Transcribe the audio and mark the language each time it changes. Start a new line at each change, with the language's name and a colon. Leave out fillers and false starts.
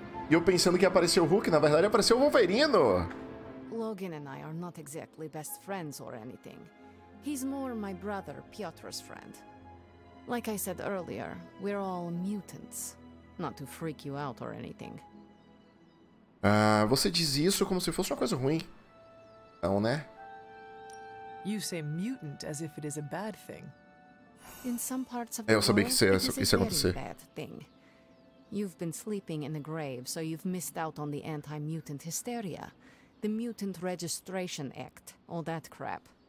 Portuguese: E eu pensando que apareceu o Hulk, na verdade apareceu o Wolverine.
English: Logan and I are not exactly best friends or anything. He's more my brother, Piotr's friend. Like I said earlier, we're all mutants. Not to freak you out or anything.
Portuguese: Você diz isso como se fosse uma coisa ruim. Então, né?
English: You say mutant as if it is a bad thing. In some parts of the world, it is a very bad thing. You've been sleeping in the grave, so you've missed out on the anti-mutant hysteria. The Mutant Registration Act, all that crap.